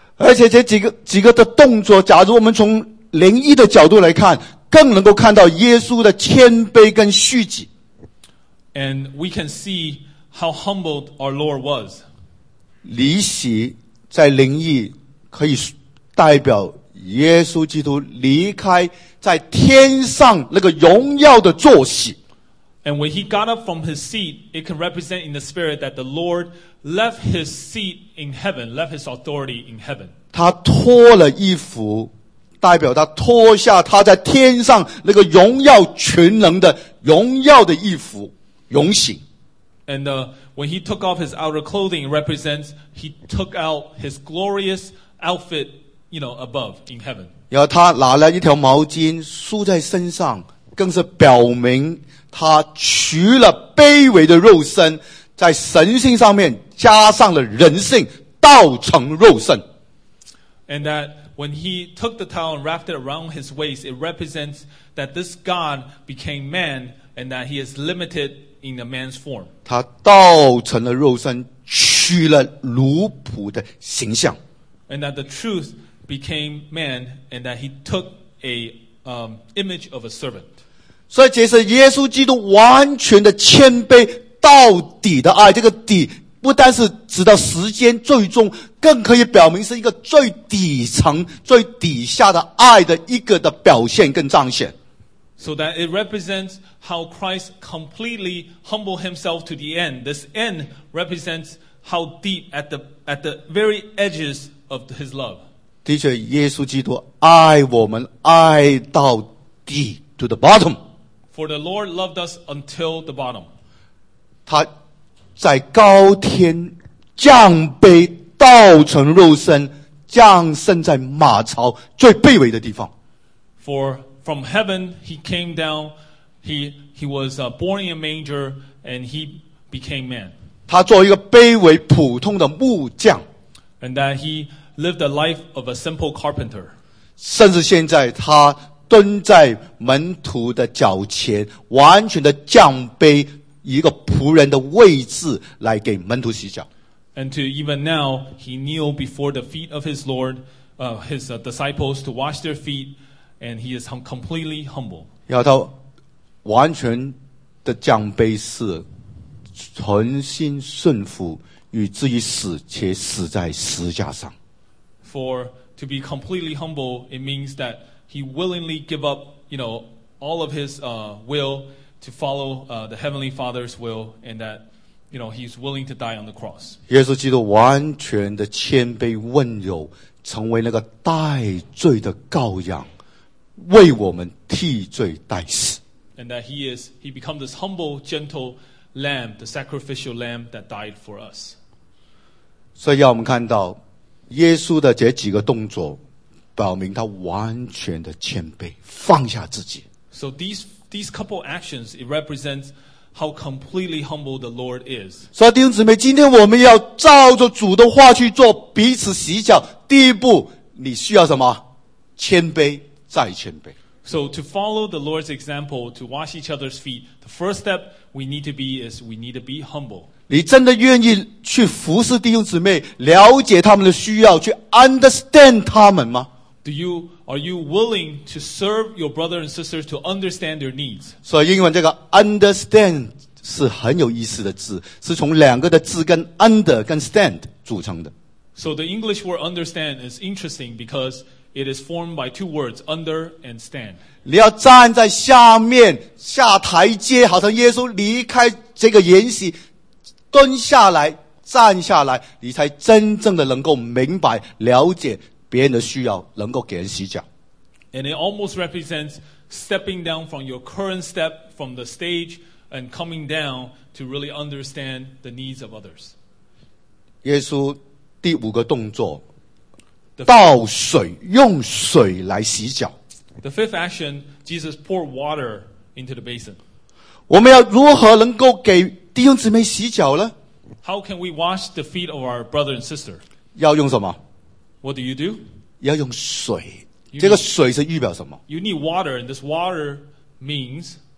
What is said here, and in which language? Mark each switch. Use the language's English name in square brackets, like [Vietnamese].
[Chinese] 而且这几个的动作，假如我们从灵异的角度来看，更能够看到耶稣的谦卑跟虚己。 [English] And we can see how humbled our Lord was. [Chinese] 离席在灵异可以代表耶稣基督离开在天上那个荣耀的座席。 [English] And when he got up from his seat, it can represent in the spirit that the Lord left his seat in heaven, left his authority in heaven. [Chinese] 他脱了衣服，代表他脱下他在天上那个荣耀全能的荣耀的衣服，荣醒。 [English] And when he took off his outer clothing, it represents he took out his glorious outfit, you know, above in heaven. [Chinese] 然后他拿了一条毛巾梳在身上，更是表明他取了卑微的肉身，在神性上面加上了人性，道成肉身。 [English] And that when he took the towel and wrapped it around his waist, it represents that this God became man and that he is limited in a man's form. [Chinese] 他道成了肉身，取了奴仆的形象。 [English] And that the truth became man and that he took a image of a servant. [Chinese] 所以这是耶稣基督完全的谦卑到底的爱，这个底不单是直到时间最终，更可以表明是一个最底层最底下的爱的一个的表现跟彰显。 [English] So that it represents how Christ completely humbled himself to the end. This end represents how deep at the very edges of his love. [Chinese] 的确耶稣基督爱我们爱到底 [English] to the bottom. For the Lord loved us until the bottom. [Chinese] 他在高天降卑道成肉身，降生在马槽最卑微的地方。 [English] For from heaven he came down, he was born in a manger and he became man. [Chinese] 他做一个卑微普通的木匠。 [English] And that he lived a life of a simple carpenter. [Chinese] 甚至现在他蹲在门徒的脚前，完全的降卑。一个仆人的位置来给门徒洗脚。 [English] And to even now, he kneeled before the feet of his Lord, his disciples to wash their feet, and he is completely humble. [Chinese] 要他完全的降卑是存心顺服，与至于死，且死在十字架上。 [English] For to be completely humble, it means that he willingly give up, you know, all of his will. To follow the Heavenly Father's will, and that, you know, he's willing to die on the cross. [Chinese] 耶稣基督完全的谦卑温柔，成为那个代罪的羔羊，为我们替罪代死。 [English] And that he becomes this humble, gentle lamb, the sacrificial lamb that died for us. [Chinese] 所以要我们看到耶稣的这几个动作，表明他完全的谦卑，放下自己。 [English] So these couple actions, it represents how completely humble the Lord is. [Chinese] 所以弟兄姊妹，今天我们要照着主的话去做，彼此洗脚。第一步，你需要什么？谦卑，再谦卑。 [English] So to follow the Lord's example, to wash each other's feet, the first step we need to be is we need to be humble. [Chinese] 你真的愿意去服侍弟兄姊妹，了解他们的需要，去 understand 他们吗？ [English] Are you willing to serve your brother and sisters to understand their needs? [Chinese] 所以英文这个 understand 是很有意思的字，是从两个的字根 under 跟 stand 组成的。 [English] So the English word understand is interesting because it is formed by two words, under and stand. [Chinese] 你要站在下面下台阶，好像耶稣离开这个筵席，蹲下来站下来，你才真正的能够明白了解。别人的需要能够给人洗脚。 [English] And it almost represents stepping down from your current step from the stage and coming down to really understand the needs of others. [Chinese] 耶稣第五个动作，倒水，用水来洗脚。 [English] The fifth action, Jesus poured water into the basin. [Chinese] 我们要如何能够给弟兄姊妹洗脚呢？ [English] How can we wash the feet of our brother and sister? [Chinese] 要用什么？ [English] What do you do? [Chinese] 要用水。这个水是预表什么？ [English] You need water, and this water means.